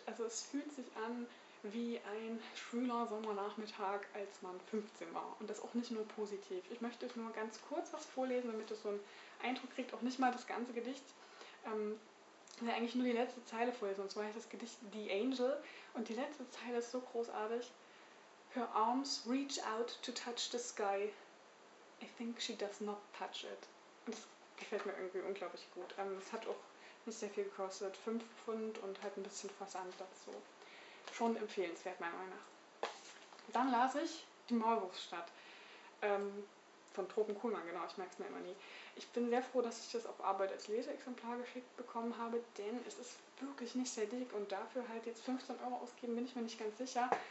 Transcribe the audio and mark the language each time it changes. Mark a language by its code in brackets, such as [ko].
[de] Also es fühlt sich an wie ein schwüler Sommernachmittag, als man 15 war. Und das auch nicht nur positiv. Ich möchte euch nur ganz kurz was vorlesen, damit ihr so einen Eindruck kriegt. Auch nicht mal das ganze Gedicht. Ich will eigentlich nur die letzte Zeile vorlesen. Und zwar heißt das Gedicht The Angel. Und die letzte Zeile ist so großartig. [en] Her arms reach out to touch the sky. I think she does not touch it. [de] Und das gefällt mir irgendwie unglaublich gut. Es hat auch nicht sehr viel gekostet. 5 Pfund und halt ein bisschen Fassansatz so. Schon empfehlenswert, meiner Meinung nach. Dann las ich Die Maulwurfsstadt. Von Tropen Kuhlmann, genau. Ich merke es mir immer nie. Ich bin sehr froh, dass ich das auf Arbeit als Leseexemplar geschickt bekommen habe, denn es ist wirklich nicht sehr dick und dafür halt jetzt 15 Euro ausgeben, bin ich mir nicht ganz sicher.